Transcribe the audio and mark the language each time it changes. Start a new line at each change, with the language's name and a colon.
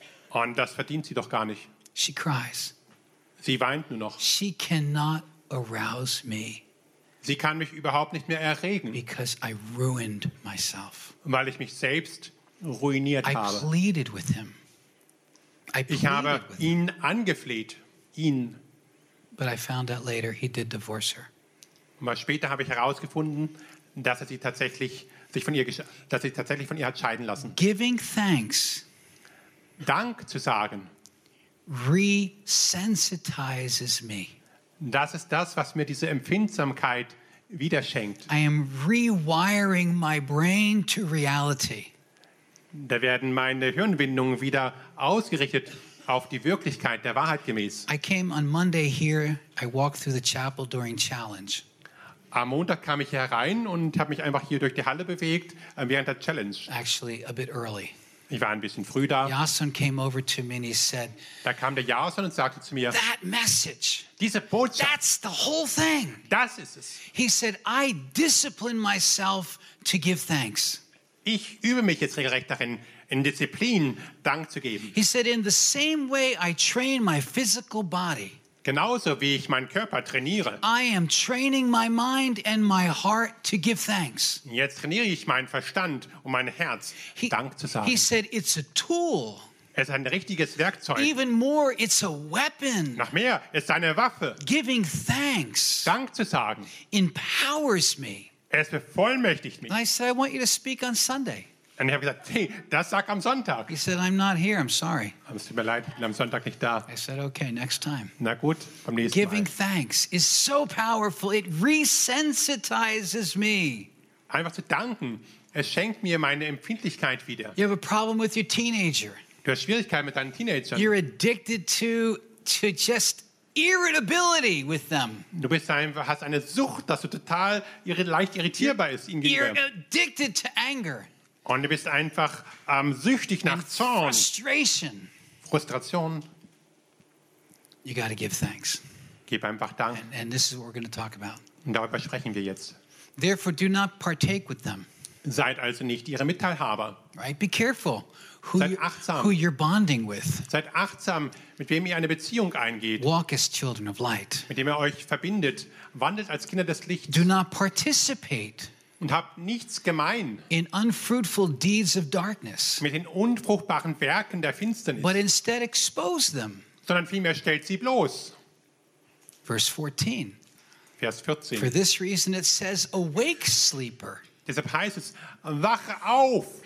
German: Und das verdient sie doch gar nicht.
English: She cries.
German: Sie weint nur noch.
English: She cannot arouse me.
German: Sie kann mich überhaupt nicht mehr erregen.
English: Because I ruined myself.
German: Weil ich mich selbst ruiniert habe.
English: I pleaded with him.
German: Ich habe ihn angefleht. Ihn.
English: But I found out later he did divorce her.
German: Aber später habe ich herausgefunden, dass er sich tatsächlich von ihr hat scheiden lassen.
English: Giving thanks.
German: Dank zu sagen.
English: Resensitizes me.
German: Das ist das, was mir diese Empfindsamkeit wieder schenkt.
English: I am rewiring my brain to reality.
German: Da werden meine Hirnwindungen wieder ausgerichtet auf die Wirklichkeit der Wahrheit gemäß.
English: I came on Monday here. I walked through the chapel during challenge.
German: Am Montag kam ich herein und habe mich einfach hier durch die Halle bewegt während der Challenge.
English: Actually, a bit early.
German: Ich war ein bisschen früh da.
English: Jason came over to me and he said,
German: da kam der Jason und sagte zu mir,
English: that message,
German: diese Botschaft,
English: that's the whole thing.
German: Das ist es.
English: He said, I discipline myself to give thanks.
German: Ich übe mich jetzt regelrecht darin, in Disziplin Dank zu geben.
English: He said, in the same way I train my physical body.
German: genauso wie ich meinen Körper trainiere.
English: I am training my mind and my heart to give thanks.
German: Jetzt trainiere ich meinen Verstand und mein Herz, Dank zu sagen.
English: He said it's a tool.
German: Es ist ein richtiges Werkzeug.
English: Even more, it's a weapon.
German: Noch mehr, es ist eine Waffe.
English: Giving thanks.
German: Dank zu sagen.
English: Empowers me.
German: Es bevollmächtigt mich.
English: And I said, I want you to speak on Sunday.
German: Und ich habe gesagt, hey, das sag am Sonntag.
English: He said, I'm not here, I'm sorry.
German: Es tut mir leid, ich bin am Sonntag nicht da.
English: I said, okay, next time.
German: Na gut, beim nächsten Mal.
English: Giving thanks is so powerful, it resensitizes me.
German: Einfach zu danken, es schenkt mir meine Empfindlichkeit wieder.
English: You have a problem with your teenager.
German: Du hast Schwierigkeiten mit deinen Teenagern.
English: You're addicted to just irritability with them.
German: Du bist einfach, hast eine Sucht, dass du total leicht irritierbar ist ihnen gegenüber.
English: You're addicted to anger.
German: Und du bist einfach süchtig nach
English: and
German: Zorn.
English: Frustration.
German: Frustration.
English: You gotta give thanks.
German: Gib einfach Dank.
English: And this is what we're gonna talk about.
German: Und darüber sprechen wir jetzt.
English: Therefore, do not partake with them.
German: Seid also nicht ihre Mitteilhaber.
English: Right? Be careful. Who you're bonding with.
German: Seid achtsam, mit wem ihr eine Beziehung eingeht.
English: Walk as children of light.
German: Mit dem ihr euch verbindet. Wandelt als Kinder des Lichts.
English: Do not participate.
German: Und habt nichts gemein.
English: In unfruitful deeds of darkness.
German: Mit den unfruchtbaren Werken der Finsternis.
English: But instead expose them.
German: Sondern vielmehr stellt sie bloß.
English: Verse 14.
German: Vers 14.
English: For this reason it says, awake sleeper.
German: Deshalb heißt es, wache auf.